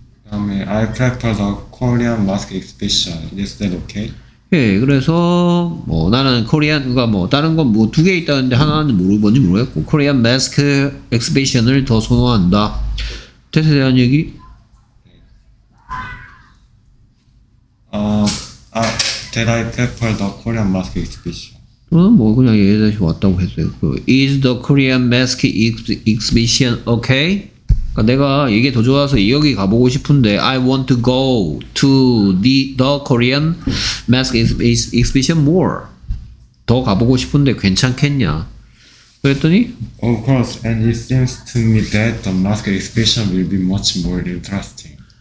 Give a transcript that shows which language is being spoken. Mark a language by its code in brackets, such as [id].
[ko] 다음에 [en] I prefer the Korean mask exhibition. Is that okay? [ko] 예, 그래서 뭐 나는 코리안과 뭐 다른 건 뭐 두 개 있다는데 하나는 뭔지 모르겠고 코리안 마스크 엑스비션을 더 선호한다. 뜻에 대한 얘기? [en] 아, did I prefer the Korean mask exhibition? [ko] 저는 뭐 그냥 얘기 다시 왔다고 했어요. [en] Is the Korean mask exhibition okay? [ko] 내가 이게 더 좋아서 여기 가보고 싶은데 [en] I want to go to the Korean mask exhibition more. [ko] 더 가보고 싶은데 괜찮겠냐? 그랬더니 [en] Of course, and it seems to me that the mask exhibition will be much more interesting.